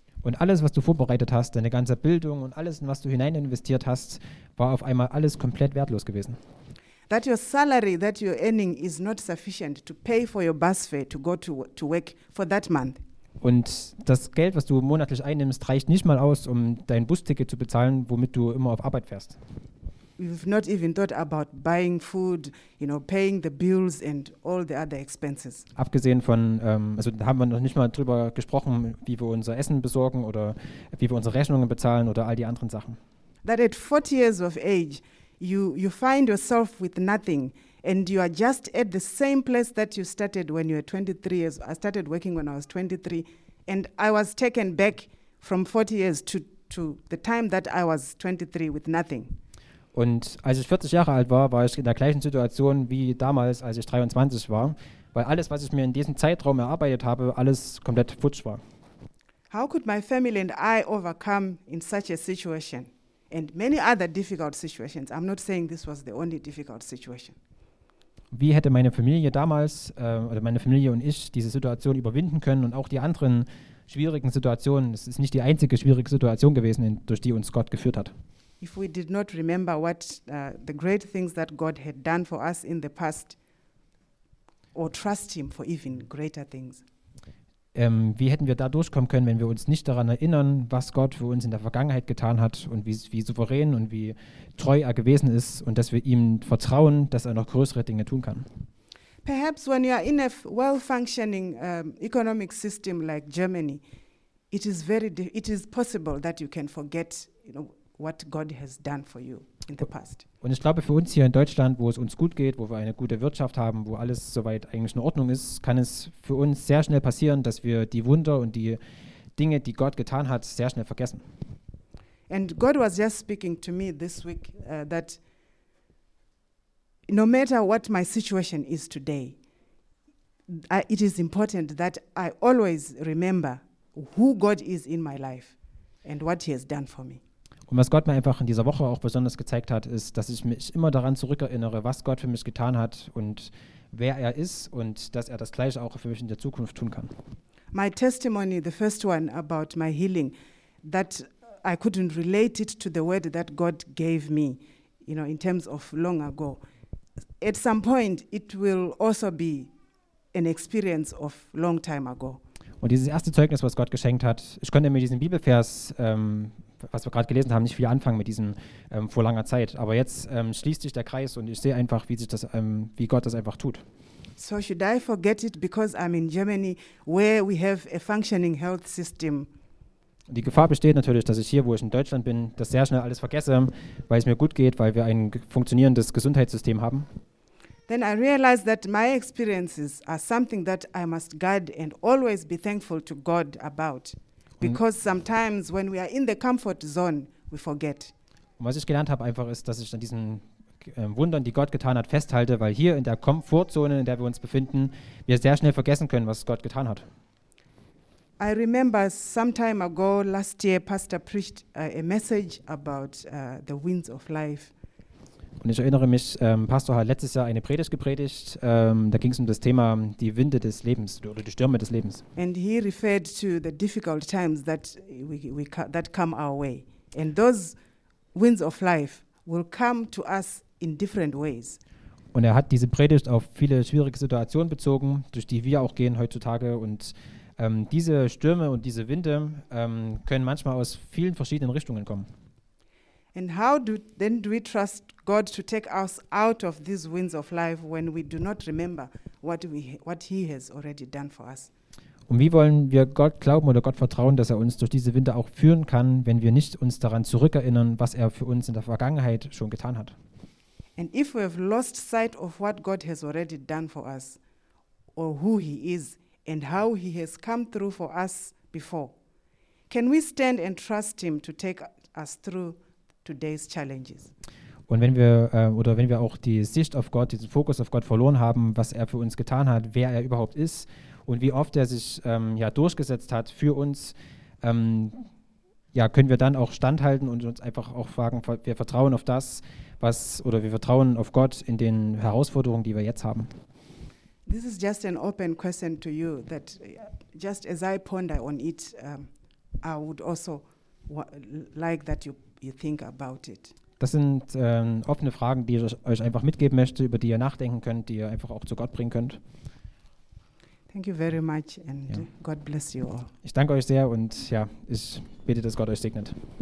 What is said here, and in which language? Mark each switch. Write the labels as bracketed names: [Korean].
[German] Und alles, was du vorbereitet hast, deine ganze Bildung und alles, in was du hinein investiert hast, war auf einmal alles komplett wertlos gewesen. [English] That your salary that you're earning is not sufficient to pay for your bus fare to go to work for that month. [German] Und das Geld, was du monatlich einnimmst, reicht nicht mal aus, um dein Busticket zu bezahlen, womit du immer auf Arbeit fährst. [English] We've not even thought about buying food, you know, paying the bills and all the other expenses. [German] Abgesehen von, also da haben wir noch nicht mal drüber gesprochen, wie wir unser Essen besorgen oder wie wir unsere Rechnungen bezahlen oder all die anderen Sachen. [English] That at 40 years of age, you find yourself with nothing and you are just at the same place that you started when you were 23 years. I started working when I was 23 and I was taken back from 40 years to the time that I was 23 with nothing. [German] Und als ich 40 Jahre alt war, war ich in der gleichen Situation wie damals, als ich 23 war, weil alles, was ich mir in diesem Zeitraum erarbeitet habe, alles komplett futsch war. [English] How could my family and I overcome in such a situation? And many other difficult situations. I'm not saying this was the only difficult situation. [German] Wie hätte meine Familie damals, oder meine Familie und ich, diese Situation überwinden können und auch die anderen schwierigen Situationen? Es ist nicht die einzige schwierige Situation gewesen, durch die uns Gott geführt hat. [English] If we did not remember what the great things that God had done for us in the past or trust him for even greater things. [German] Wie hätten wir da durchkommen können, wenn wir uns nicht daran erinnern, was Gott für uns in der Vergangenheit getan hat und wie souverän und wie treu er gewesen ist und dass wir ihm vertrauen, dass er noch größere Dinge tun kann. [English] Perhaps when you are in a well-functioning economic system like Germany, it is possible that you can forget, you know, what God has done for you in the past. [German] Und ich glaube, für uns hier in Deutschland, wo es uns gut geht, wo wir eine gute Wirtschaft haben, wo alles soweit eigentlich in Ordnung ist, kann es für uns sehr schnell passieren, dass wir die Wunder und die Dinge, die Gott getan hat, sehr schnell vergessen. [English] And God was just speaking to me this week that no matter what my situation is today, it is important that I always remember who God is in my life and what he has done for me. [German] Und was Gott mir einfach in dieser Woche auch besonders gezeigt hat, ist, dass ich mich immer daran zurückerinnere, was Gott für mich getan hat und wer er ist und dass er das Gleiche auch für mich in der Zukunft tun kann. [English] My testimony, the first one about my healing, that I couldn't relate it to the word that God gave me, you know, in terms of long ago. At some point, it will also be an experience of long time ago. [German] Und dieses erste Zeugnis, was Gott geschenkt hat, ich konnte mir diesen Bibelvers, was wir gerade gelesen haben, nicht viel anfangen mit diesem vor langer Zeit. Aber jetzt schließt sich der Kreis und ich sehe einfach, wie sich das, wie Gott das einfach tut. [English] So should I forget it because I'm in Germany, where we have a functioning health system. [German] Die Gefahr besteht natürlich, dass ich hier, wo ich in Deutschland bin, das sehr schnell alles vergesse, weil es mir gut geht, weil wir ein funktionierendes Gesundheitssystem haben. [English] Then I realize that my experiences are something that I must guard and always be thankful to God about. Because sometimes when we are in the comfort zone, we forget. [German] Und was ich gelernt habe einfach ist, dass ich an diesen Wundern, die Gott getan hat, festhalte, weil hier in der Komfortzone, in der wir uns befinden, wir sehr schnell vergessen können, was Gott getan hat. [English] I remember some time ago, last year, Pastor preached a message about the winds of life. [German] Und ich erinnere mich, Pastor hat letztes Jahr eine Predigt gepredigt, da ging es um das Thema die Winde des Lebens oder die Stürme des Lebens. [English] And he referred to the difficult times that that come our way. And those winds of life will come to us in different ways. [German] Und er hat diese Predigt auf viele schwierige Situationen bezogen, durch die wir auch gehen heutzutage. Und diese Stürme und diese Winde können manchmal aus vielen verschiedenen Richtungen kommen. [English] And how do we trust God to take us out of these winds of life when we do not remember what he has already done for us? [German] Und wie wollen wir Gott glauben oder Gott vertrauen, dass er uns durch diese Winter auch führen kann, wenn wir nicht uns daran zurückerinnern, was er für uns in der Vergangenheit schon getan hat? [English] And if we have lost sight of what God has already done for us, or who he is, and how he has come through for us before, can we stand and trust him to take us through today's challenges? [German] Und wenn wir oder wenn wir auch die Sicht auf Gott, diesen Fokus auf Gott verloren haben, was er für uns getan hat, wer er überhaupt ist und wie oft er sich durchgesetzt hat für uns, können wir dann auch standhalten und uns einfach auch fragen, wir vertrauen auf das, was oder wir vertrauen auf Gott in den Herausforderungen, die wir jetzt haben. [English] This is just an open question to you that just as I ponder on it, I would also like that you think about it. [German] Das sind offene Fragen, die ich euch einfach mitgeben möchte, über die ihr nachdenken könnt, die ihr einfach auch zu Gott bringen könnt. [English] Thank you very much and God bless you all. [German] Ich danke euch sehr und ich bete, dass Gott euch segnet.